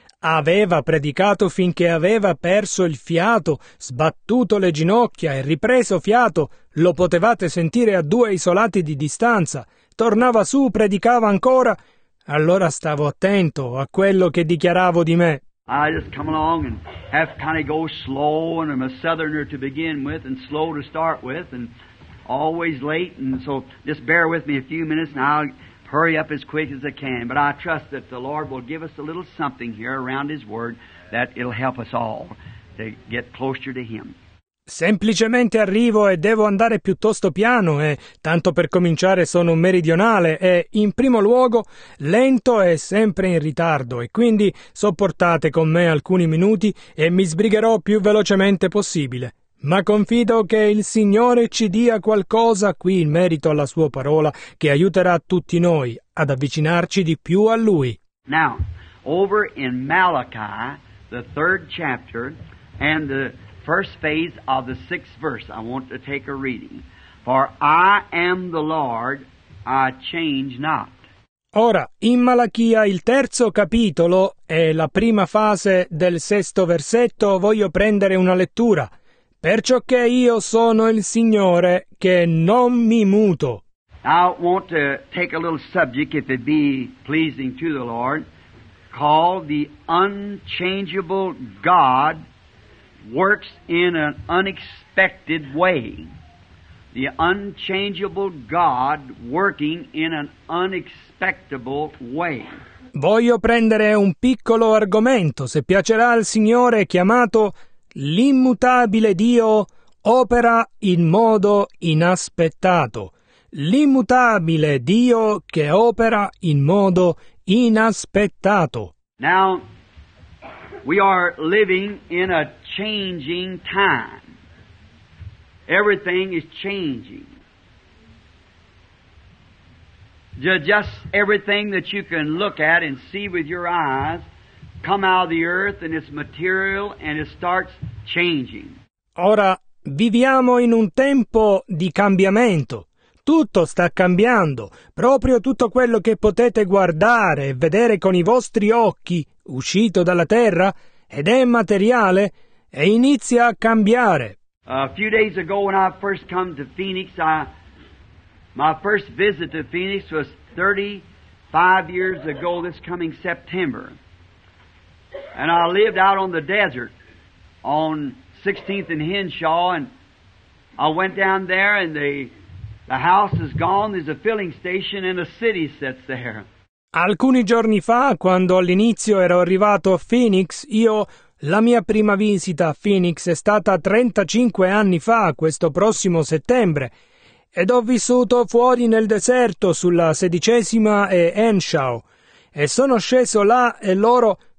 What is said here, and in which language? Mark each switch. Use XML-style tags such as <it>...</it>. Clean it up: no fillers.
<it>Aveva predicato finché aveva perso il fiato, sbattuto le ginocchia e ripreso fiato. Lo potevate sentire a due isolati di distanza. Tornava su, predicava ancora. Allora stavo attento a quello che dichiaravo di me.</it> <en>I just come along and have to kind of go slow, and I'm a southerner to begin with and slow to start with and always late, and so just bear with me a few minutes and I'll hurry up as quick as I can, but I trust that the Lord will give us a little something here around His Word that it'll help us all to get closer to Him.</en> <it>Semplicemente arrivo e devo andare piuttosto piano e, tanto per cominciare, sono un meridionale e, in primo luogo, lento e sempre in ritardo e quindi sopportate con me alcuni minuti e mi sbrigherò più velocemente possibile. Ma confido che il Signore ci dia qualcosa qui in merito alla Sua parola che aiuterà tutti noi ad avvicinarci di più a Lui.</it> <en>Now, over in Malachi, the third chapter, and the first phase of the sixth verse, I want to take a reading. For I am the Lord, I change not.</en> <it>Ora, in Malachia, il terzo capitolo e la prima fase del sesto versetto, voglio prendere una lettura. Perciò che io sono il Signore che non mi muto.</it> <en>I want to take a little subject, if it be pleasing to the Lord, called the unchangeable God works in an unexpected way. The unchangeable God working in an unexpectable way.</en> <it>Voglio prendere un piccolo argomento, se piacerà al Signore, chiamato l'immutabile Dio opera in modo inaspettato. L'immutabile Dio che opera in modo inaspettato.</it> <en>Now, we are living in a changing time. Everything is changing. Just everything that you can look at and see with your eyes come out of the earth and it's material and it starts changing.</en> <it>Ora viviamo in un tempo di cambiamento. Tutto sta cambiando. Proprio tutto quello che potete guardare e vedere con i vostri occhi, uscito dalla terra, ed è materiale, e inizia a cambiare.</it> <en>A few days ago when I first come to Phoenix, my first visit to Phoenix was 35 years ago this coming September. And I lived out on the desert on 16th and Henshaw, and I went down there and the house is gone, there's a filling station and a city sits there.</en> <it>Alcuni giorni fa, quando all'inizio ero arrivato a Phoenix, la mia prima visita a Phoenix è stata 35 anni fa, questo prossimo settembre, ed ho vissuto fuori nel deserto sulla 16ª e Henshaw, e sono sceso là e loro...</it>